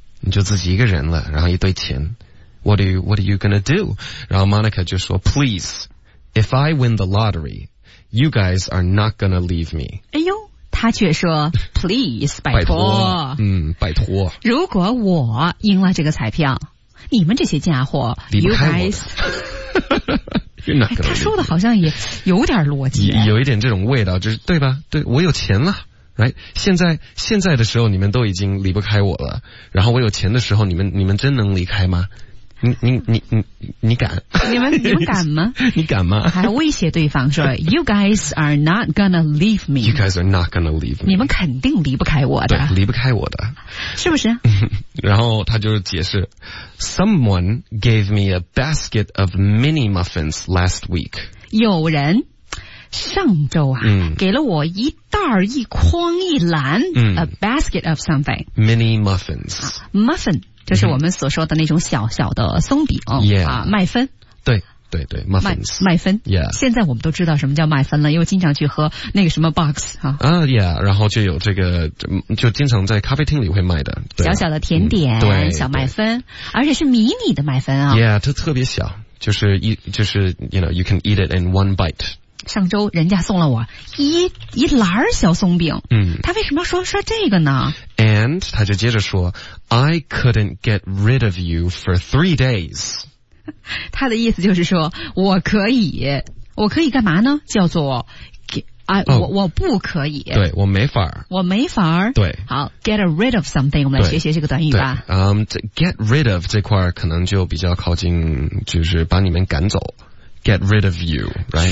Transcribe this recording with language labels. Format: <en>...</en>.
<zh>你就自己一个人了，然后一堆钱。</zh> <en>What are you gonna do?</en> <zh>然后 Monica 就说</zh> <en>Please, if I win the lottery, you guys are not gonna leave me.</en> <zh>哎呦。他却说 Please 拜托，如果我赢了这个彩票，你们这些家伙离不开我的。他说的好像也有点逻辑，有一点这种味道，就是对吧，对，我有钱了、right? 现在的时候你们都已经离不开我了，然后我有钱的时候你们真能离开吗？你敢？你们敢吗？你敢吗？还威胁对方说，</zh> <en>You guys are not gonna leave me. You guys are not gonna leave me.</en> <zh>你们肯定离不开我的。对，离不开我的，是不是？然后他就解释</zh> <en>，Someone gave me a basket of mini muffins last week.</en> <zh>有人上周啊，给了我一袋一筐一篮、</zh> <en>a basket of something mini muffins、 muffin。</en> <zh>就是我们所说的那种小小的松饼、 yeah. 啊，麦芬。对对对 ，muffins 麦芬。 Yeah. 现在我们都知道什么叫麦芬了，因为经常去喝那个什么 box 啊。 Yeah， 然后就有这个，就经常在咖啡厅里会卖的。对啊、小小的甜点，对，小麦芬，而且是迷你的麦芬啊。</zh> <en>Yeah，</en> <zh>它特别小，就是</zh> <en>you know you can eat it in one bite。</en> <zh>上周人家送了我一篮小松饼，他为什么要说这个呢？</zh> <en>And</en> <zh>他就接着说</zh> <en>I couldn't get rid of you for 3 days.</en> <zh>他的意思就是说我可以干嘛呢，叫做 我不可以，对，我没法儿。对，好， get rid of something， 我们来学学这个短语吧。 Get rid of 这块可能就比较靠近就是把你们赶走，</zh> <en>get rid of you、</en> <zh>right?</zh>